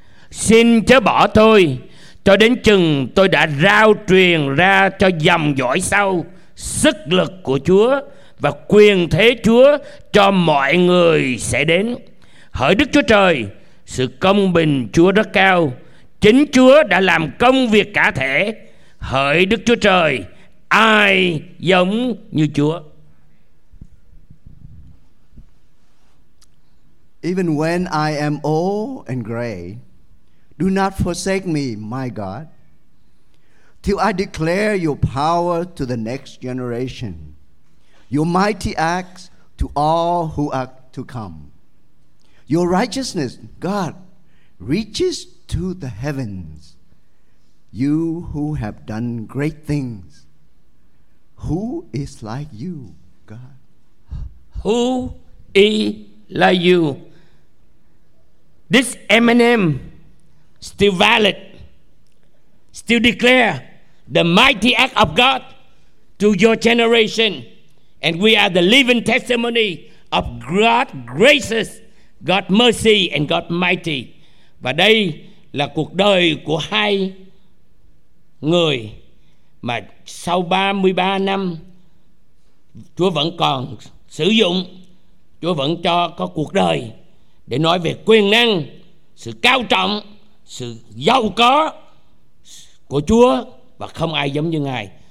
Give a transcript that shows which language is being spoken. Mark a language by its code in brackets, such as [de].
[vi] Xin chớ bỏ tôi cho đến chừng tôi đã rao truyền ra cho dòng dõi sau sức lực của Chúa và quyền thế Chúa cho mọi người sẽ đến. Hỡi Đức Chúa Trời, sự công bình Chúa rất cao, chính Chúa đã làm công việc cả thể. Hỡi Đức Chúa Trời, ai giống như Chúa? [en] Even when I am old and gray, do not forsake me, my God, till I declare your power to the next generation, your mighty acts to all who are to come. Your righteousness, God, reaches to the heavens. You who have done great things, who is like you, God? Who is like you? This M&M still valid, still declare the mighty act of God to your generation. And we are the living testimony of God's graces, God's mercy and God's mighty. [vi] Và đây là cuộc đời của hai người mà sau 33 năm Chúa vẫn còn sử dụng, Chúa vẫn cho có cuộc đời để nói về quyền năng, sự cao trọng, sự giàu có của Chúa và không ai giống như Ngài.